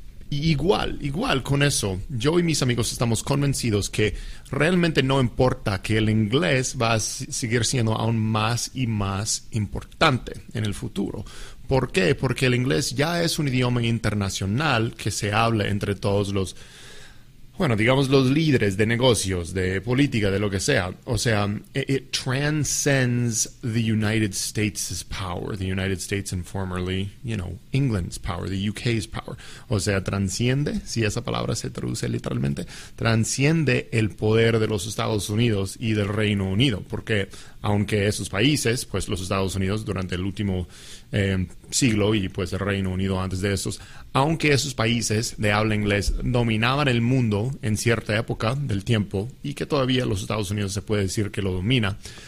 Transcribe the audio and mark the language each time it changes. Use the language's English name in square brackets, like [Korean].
[Spanish] Y igual con eso, yo y mis amigos estamos convencidos que realmente no importa, que el inglés va a seguir siendo aún más y más importante en el futuro. ¿Por qué? Porque el inglés ya es un idioma internacional que se habla entre todos los, bueno, digamos los líderes de negocios, de política, de lo que sea. O sea, [English] it transcends the United States' power, the United States and formerly, you know, England's power, the UK's power. [Spanish] O sea, transciende, si esa palabra se traduce literalmente, transciende el poder de los Estados Unidos y del Reino Unido. Porque aunque esos países, pues los Estados Unidos durante el último siglo y pues el Reino Unido antes de esos, aunque esos países de habla inglés dominaban el mundo en cierta época del tiempo y que todavía los Estados Unidos se puede decir que lo domina,